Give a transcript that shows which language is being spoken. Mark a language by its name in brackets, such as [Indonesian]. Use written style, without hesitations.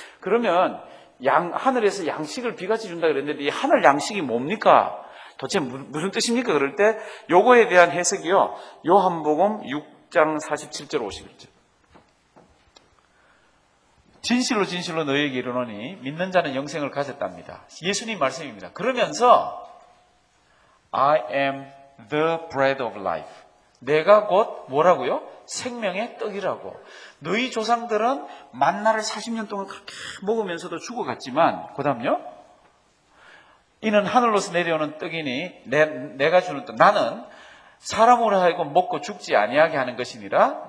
[Korean] 그러면 하늘에서 양식을 비같이 준다 그랬는데 이 하늘 양식이 뭡니까? 도대체 무슨 뜻입니까? 그럴 때 요거에 대한 해석이요. 요한복음 6장 47절 51절. 진실로 진실로 너희에게 이르노니 믿는 자는 영생을 가졌답니다. 예수님 말씀입니다. 그러면서 [English] I am the bread of life. [Korean] 내가 곧 뭐라고요? 생명의 떡이라고. 너희 조상들은 만나를 40년 동안 그렇게 먹으면서도 죽어갔지만 그 다음요? 이는 하늘로서 내려오는 떡이니 내가 주는 떡. 나는 사람으로 하여금 먹고 죽지 아니하게 하는 것이니라.